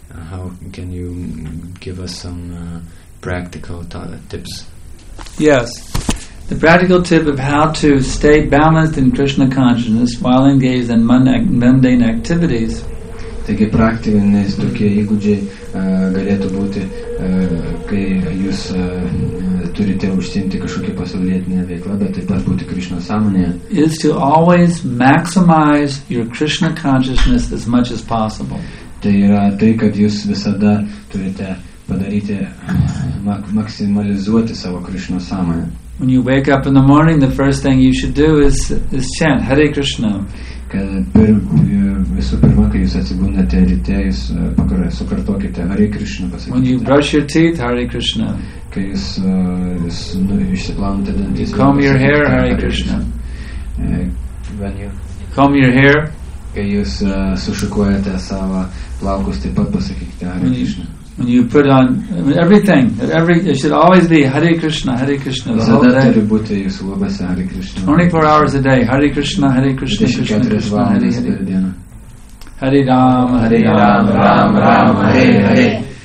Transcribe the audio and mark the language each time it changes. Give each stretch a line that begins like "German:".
English: How can you give us some practical tips? Yes. The practical tip of how to stay balanced in Krishna consciousness while engaged in mundane activities.
Lithuanian: Taigi praktiniais tokie įgūdžiai galėtų būti, kai jūs turite užsiimti kažkokią pasaulietinę veiklą, bet taip pat būti Krishna sąmonėje.
English: Is to always maximize your Krishna consciousness as much as possible.
Lithuanian: Tai yra tai, kad jūs visada turite padaryti, maksimalizuoti savo Krishna sąmonę.
English: When you wake up in the morning, the first thing you should do is chant Hare Krishna.
Lithuanian: Kad visų pirma, kai jūs atsibūnate ryte, jūs sukartokite Hare Krishna pasakyti.
English: When you brush your teeth, Hare Krishna.
Lithuanian: Kai jūs, jūs nu, išsiplaunate dantis.
English: Comb your hair, Hare Krishna. When you... Comb your hair.
Lithuanian: Kai jūs sušukuojate savo plaukus, taip pat pasakykite Hare Krishna.
English: When you put on everything, it should always be Hare Krishna, Hare Krishna the whole day. 24 hours a day, Hare Krishna, Hare Krishna, Krishna, Hare Hare. Hare Rama, Rama, Rama, Hare Hare.